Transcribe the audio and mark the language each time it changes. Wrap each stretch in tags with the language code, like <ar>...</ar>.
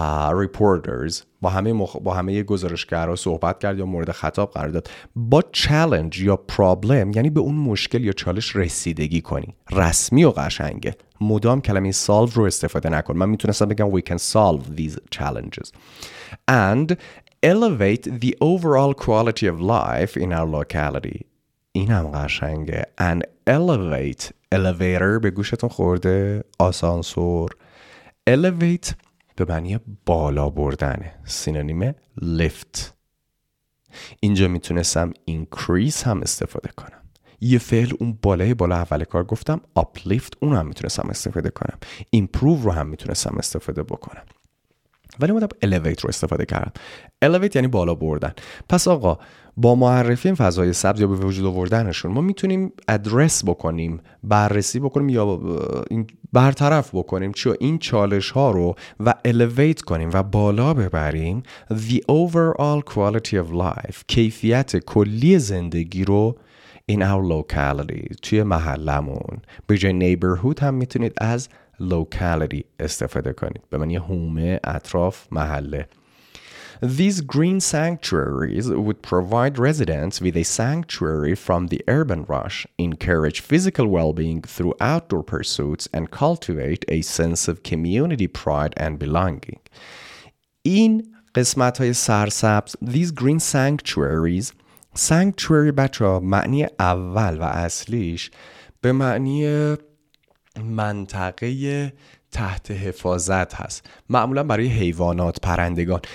<fa>reporters با همه با همه گزارشگرا صحبت کرد یا مورد خطاب قرار داد. با چالش یا پرابلم یعنی به اون مشکل یا چالش رسیدگی کنی. رسمی و قشنگه. مدام کلمه solve رو استفاده نکن. من میتونستم بگم</fa> <en>we can solve these challenges and elevate the overall quality of life in our locality.</en> <fa>اینم قشنگه. And elevate, elevator به گوشتون خورده، آسانسور. Elevate به معنی بالا بردنه، سینونیم lift. اینجا میتونستم increase هم استفاده کنم. یه فعل اون بالای بالا اول کار گفتم uplift، اون هم میتونستم استفاده کنم. Improve رو هم میتونستم استفاده بکنم، ولی اومدم elevate رو استفاده کردم. Elevate یعنی بالا بردن. پس آقا با معرفی فضای سبز یا به وجود آوردنشون ما میتونیم ادرس بکنیم، بررسی بکنیم یا برطرف بکنیم چیو این چالش ها رو و elevate کنیم و بالا ببریم</fa> <en>the overall quality of life،</en> <fa>کیفیت کلی زندگی رو</fa> <en>in our locality،</en> <fa>توی محلمون. به جای neighborhood هم میتونید از locality استفاده کنید، به معنی هومه، اطراف، محله.</fa> <en>These green sanctuaries would provide residents with a sanctuary from the urban rush, encourage physical well-being through outdoor pursuits, and cultivate a sense of community pride and belonging.</en> <fa>این قسمت‌های سرسبز،</fa> <en>these green sanctuaries،</en> <fa>sanctuary بچه‌ها معنی اول و اصلیش به معنی منطقه تحت حفاظت هست، معمولا برای حیوانات، پرندگان.</fa>